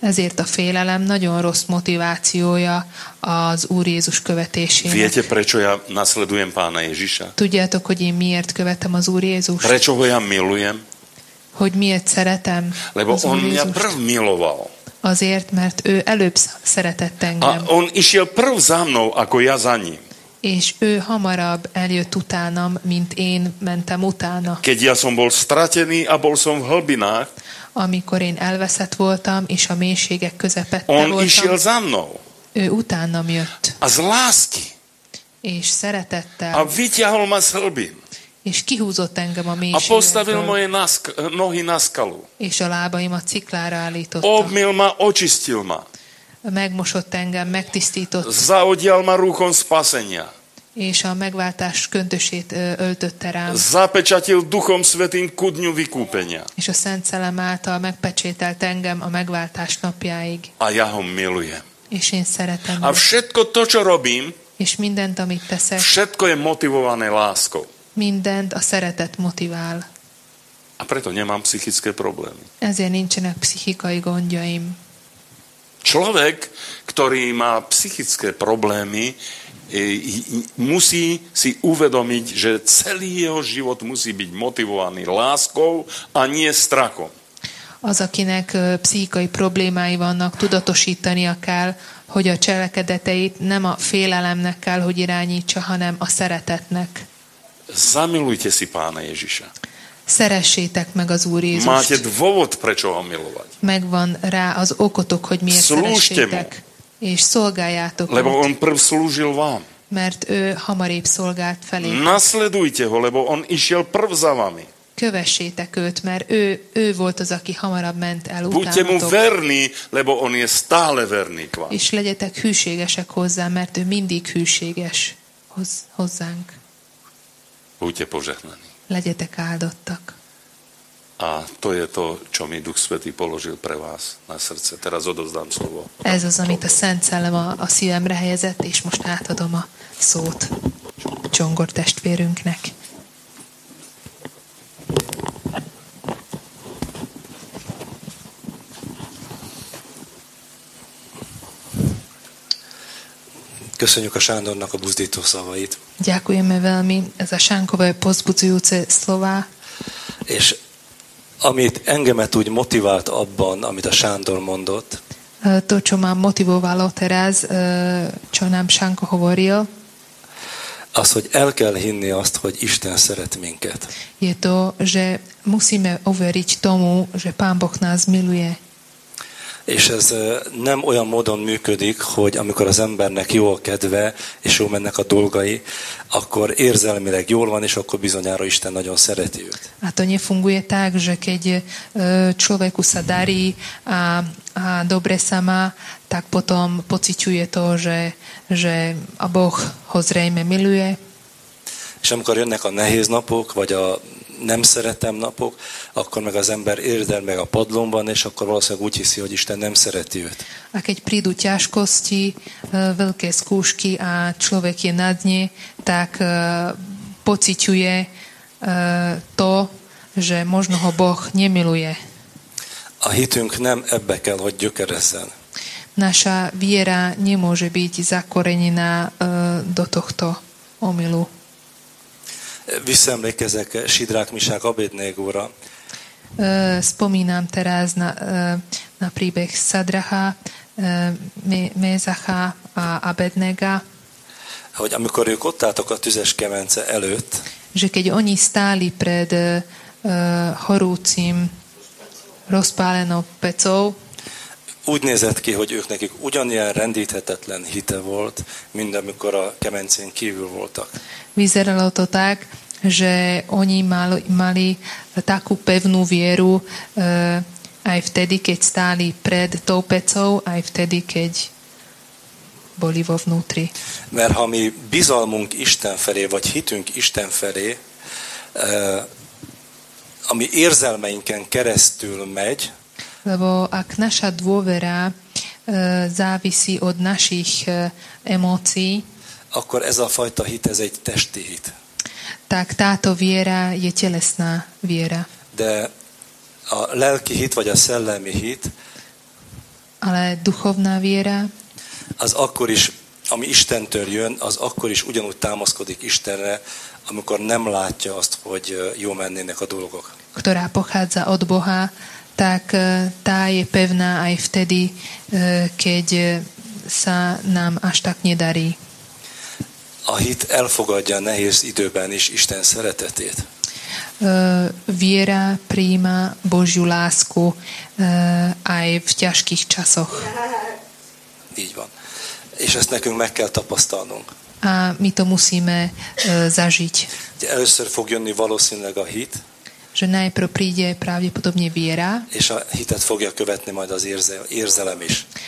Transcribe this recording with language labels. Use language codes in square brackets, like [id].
[hu] Ezért a félelem nagyon rossz motivációja az Úr Jézus követésének. [sk] Viete, prečo ja nasledujem pána Ježiša? [hu] Tudjátok, hogy én miért követem az Úr Jézust? [sk] Prečo ho ja milujem? [hu] Hogy miért szeretem [sk] Lebo [hu] az [sk] on Úr Jézust? Mňa prv miloval. [hu] Azért, mert ő előbb szeretett engem. [sk] A on išiel prv za mnou, ako ja za ním. [hu] És ő hamarabb eljött utánam, mint én mentem utána. [sk] Keď ja som bol stratený a bol som v hlbinách. [hu] Amikor én elveszett voltam, és a mélységek közepette [sk] on On išiel za mnou. [hu] Ő utánam jött. [sk] A z lásky. [hu] És szeretettel. [sk] A vyťahol ma z hlbin. [hu] És kihúzott engem a mélységből. [sk] A postavil moje nohy na skalu. [hu] És a lábaimat ciklára állította. [sk] Obmil ma, očistil ma. [hu] Megmosott engem, megtisztított. [sk] Zaodial ma rúchom spasenia. [hu] És a megváltás köntösét öltötte rám. [sk] Zapečatil duchom svetým ku dňu vykúpenia. [hu] És a Szent Szellem által megpecsételt engem a megváltás napjáig. [sk] A ja ho milujem. [hu] És én szeretem. [sk] A všetko to, čo robím, [hu] és mindent, amit teszek, [sk] všetko je motivované láskou. [hu] Mindent a szeretet motivál. [sk] A preto nemám psychické problémy. [hu] Ezért nincsenek pszichikai gondjaim. [sk] Človek, ktorý má psychické problémy, musí si uvedomiť, že celý jeho život musí byť motivovaný láskou a nie strachom. [hu] Az, akinek pszichikai problémái vannak, tudatosítania kell, hogy a cselekedeteit nem a félelemnek kell, hogy irányítsa, hanem a szeretetnek. [sk] Zamilujte si pána Ježiša. [hu] Szeressétek meg az Úr Jézust. [sk] Máte dôvod, prečo ho milovať. [hu] Megvan rá az okotok, hogy miért szeressétek. És szolgáljátok. [sk] Lebo on prv slúžil vám. [hu] Mert ő hamarébb szolgált felé. [sk] Nasledujte ho, lebo on išiel prv za vami. [hu] Kövessétek őt, mert ő volt az, aki hamarabb ment el utánatok. [sk] Buďte mu verní, lebo on je stále verný k vám. [hu] És legyetek hűségesek hozzá, mert ő mindig hűséges hozzánk. [sk] Buďte požehnaní. [hu] Legyetek áldottak. [sk] A to je to, čo mi Duch Svätý položil pre vás na srdce. Teraz odovzdám slovo. [hu] Ez az, amit a Szent Szellem a szívemre helyezett, és most átadom a szót Csongor testvérünknek. Köszönjük a Sándornak a buzdító szavait. [sk] Ďakujeme veľmi za Šánkové pozbudzujúce slová. [hu] És amit engemet úgy motivált abban, amit a Sándor mondott. [sk] To, čo ma motivovalo teraz, čo nám Šánko hovoril. [hu] Az, hogy el kell hinni azt, hogy Isten szeret minket. [sk] Je to, že musíme overiť tomu, že Pán Boh nás miluje. [hu] És ez nem olyan módon működik, hogy amikor az embernek jó a kedve, és jó mennek a dolgai, akkor érzelmileg jól van, és akkor bizonyára Isten nagyon szereti őt. [sk] Hát annyi funguje tak, že keď človeku sa darí a dobre sa má, tak potom pociťuje to, že a Boh ho zrejme miluje. [hu] És amikor jönnek a nehéz napok, vagy a nem szeretem napok, akkor meg az ember érdel meg a padlón van, és akkor valószínűleg úgy hiszi, hogy Isten nem szereti őt. [sk] A keď prídu ťažkosti, veľké skúšky a človek je na dne, tak pociťuje to, že možno ho Boh nemiluje. [hu] A hitünk nem ebbe kell, hogy gyökerezzen. [sk] Naša viera nemôže byť zakorenená do tohto omylu. [hu] Visszaemlékezek Sidrák Misák Abednégóra. [sk] Spomínam teraz na príbeh Sadracha, Mézacha a Abednéga. [hu] Hogy amikor ők ott álltak a tüzes kemence előtt, [sk] že keď oni stáli pred horúcim rozpálenou pecou, [hu] úgy nézett ki, hogy ők nekik ugyanilyen rendíthetetlen hite volt, mint amikor a kemencén kívül voltak. [sk] Vyzeralo to tak, že oni mali takú pevnú vieru aj vtedy, keď stáli pred tou pecou, aj vtedy, keď boli vo vnútri. [hu] Mert ha mi bizalmunk Isten felé, vagy hitünk Isten felé, ami érzelmeinken keresztül megy, [sk] lebo ak naša dôvera závisí od našich emócií, [hu] akkor ez a fajta hit, ez egy testi hit. [sk] Tak táto viera je telesná viera. [hu] De a lelki hit, vagy a szellemi hit, [sk] ale duchovná viera, [hu] az akkor is, ami Istentől jön, az akkor is ugyanúgy támaszkodik Istenre, amikor nem látja azt, hogy jó mennének a dolgok. [sk] Ktorá pochádza od Boha, tak tá je pevná aj vtedy, keď sa nám až tak nedarí. [hu] A hit elfogadja nehéz időben is Isten szeretetét. [sk] Viera prijíma Božiu lásku aj v ťažkých časoch. [hu] Így van. És ezt nekünk meg kell tapasztalnunk. [sk] A my to musíme zažiť. [hu] Először fog jönni valószínűleg a hit. [sk] Že najprv príde pravdepodobne viera. [hu] És a hitet fogja követni majd az érzelem is.